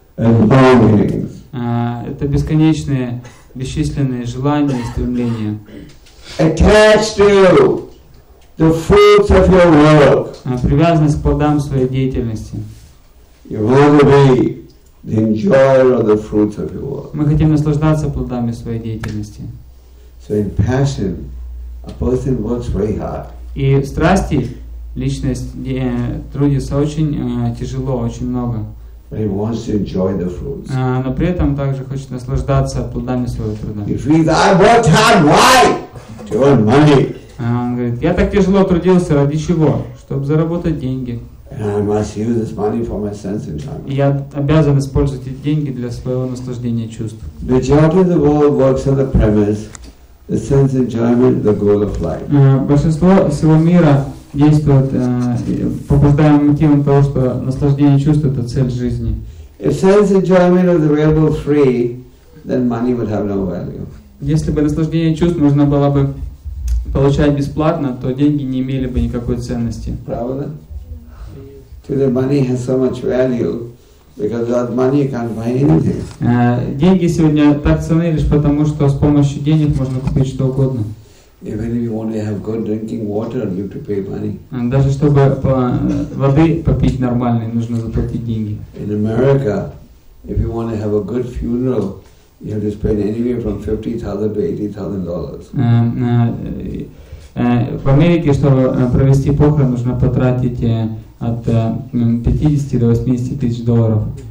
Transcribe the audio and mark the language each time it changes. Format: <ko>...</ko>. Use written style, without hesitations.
<ru>Это бесконечные, бесчисленные желания и стремления.</ru> <en>Attached to the fruits of your work.</en> <ru>Привязанность к плодам своей деятельности.</ru> <en>You want to be the enjoyer of the fruits of your work.</en> <ru>Мы хотим наслаждаться плодами своей деятельности.</ru> <en>So in passion, a person works very hard.</en> <ru>И в страсти личность трудится очень тяжело, очень много.</ru> <en>He wants to enjoy the fruits.</en> <ru>Но при этом также хочет наслаждаться плодами своего труда.</ru> <en>He feels, I worked hard, why? To earn money.</en> <ru>Он говорит, я так тяжело трудился, ради чего? Чтобы заработать деньги.</ru> <en>And I must use this money for my sense enjoyment.</en> <ru>И я обязан использовать эти деньги для своего наслаждения чувств.</ru> <en>The job of the world works on the premise, the sense enjoyment, the goal of life.</en> <ru>Большинство всего мира действует по постоянным мотивам того, что наслаждение чувств — это цель жизни.</ru> <en>If sense enjoyment was available free, then money would have no value.</en> <ru>Если бы наслаждение чувств можно было бы получать бесплатно, то деньги не имели бы никакой ценности. Правда?</ru> <en>To the money has so much value because without money you can't buy anything.</en> <ru>Деньги сегодня так ценны лишь потому, что с помощью денег можно купить что угодно.</ru> <en>Even if you want to have good drinking water, you have to pay money.</en> <ru>Даже чтобы воды попить нормальной, нужно заплатить деньги.</ru> <en>In America, if you want to have a good funeral, you have to spend anywhere from $50,000 to $80,000.</en> <ru>В Америке, чтобы провести похороны, нужно потратить от 50 до 80 тысяч долларов.</ru>